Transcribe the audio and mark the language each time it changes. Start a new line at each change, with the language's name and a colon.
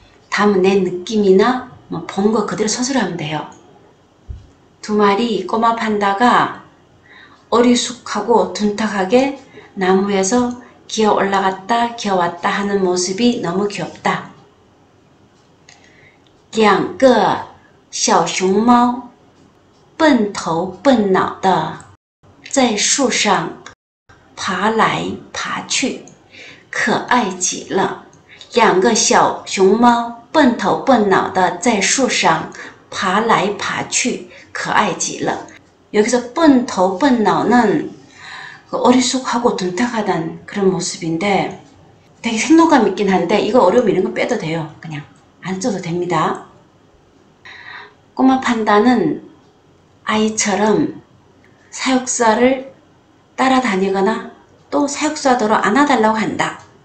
Korean: 다음은 내 느낌이나 뭐본거 그대로 서술하면 돼요. 두 마리 꼬마 판다가 어리숙하고 둔탁하게 나무에서 기어 올라갔다 기어 왔다 하는 모습이 너무 귀엽다.
Chinese: 两个小熊猫 笨头笨脑的在树上爬来爬去，可爱极了。两个小熊猫笨头笨脑的在树上爬来爬去，可爱极了。
Korean: 여기서 笨头笨脑는 어리숙하고 둔탁하단 그런 모습인데 되게 생동감 있긴 한데 이거 어려움 이런 거 빼도 돼요. 그냥 안 써도 됩니다. 꼬마 판다는 아이처럼 사육사를 따라다니거나 또 사육사도로 안아달라고 한다.